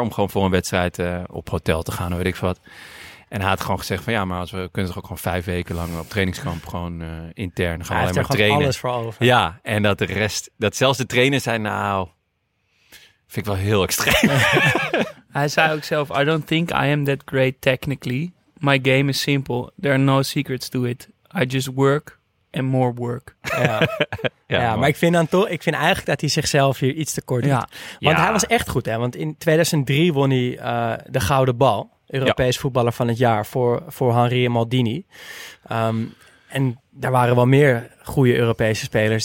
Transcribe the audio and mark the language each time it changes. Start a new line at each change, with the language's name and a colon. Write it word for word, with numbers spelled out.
Dutch: om gewoon voor een wedstrijd uh, op hotel te gaan, weet ik wat. En hij had gewoon gezegd van... ja, maar als we kunnen toch ook gewoon vijf weken lang op trainingskamp... gewoon uh, intern gaan alleen maar gewoon trainen. Alles voor over. Ja, en dat de rest... dat zelfs de trainers zijn nou... vind ik wel heel extreem. Hij zei ook zelf...
English: I don't think I am that great technically. My game is simple. There are no secrets to it. I just work...
Dutch: en
English: more work.
Dutch: Ja, ja, ja maar ik vind, dan toch, ik vind eigenlijk dat hij zichzelf hier iets te kort doet. Ja. Want ja. hij was echt goed. Hè? Want in tweeduizend drie won hij uh, de Gouden Bal. Europees ja. voetballer van het jaar voor, voor Henry en Maldini. Um, en daar waren wel meer goede Europese spelers...